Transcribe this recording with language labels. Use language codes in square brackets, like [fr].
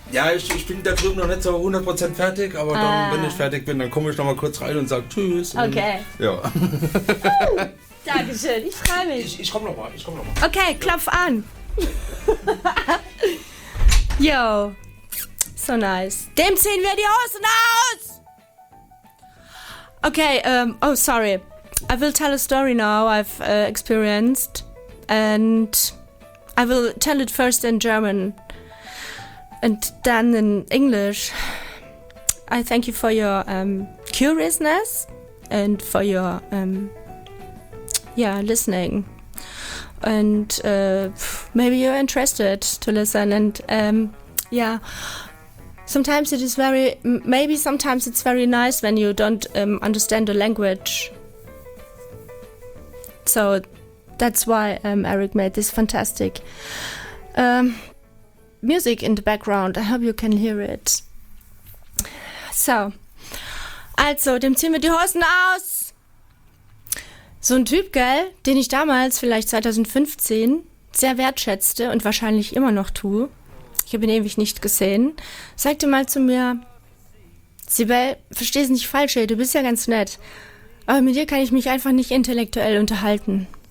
[de] Ja, ich bin da drüben noch nicht so 100% fertig, aber dann, wenn ich fertig bin, dann komme ich noch mal kurz rein und sage Tschüss. Und okay. Ja. Dankeschön, ich freue mich. Ich komme noch mal, ich komme noch mal. Okay, klopf an. [en] Yo, so nice. [de] Dem ziehen wir die Hosen aus! [en] Okay, sorry. I will tell a story now I've experienced and... I will tell it first in German and then in English. I thank you for your curiousness and for your listening. And maybe you're interested to listen. And sometimes it is very, maybe sometimes it's very nice when you don't understand the language. So. That's why Eric made this fantastic music in the background. I hope you can hear it. [de] So, also, dem ziehen wir die Hosen aus. So ein Typ, gell, den ich damals, vielleicht 2015, sehr wertschätzte und wahrscheinlich immer noch tue, ich habe ihn ewig nicht gesehen, sagte mal zu mir, Sibel, versteh's nicht falsch, ey, du bist ja ganz nett, aber mit dir kann ich mich einfach nicht intellektuell unterhalten.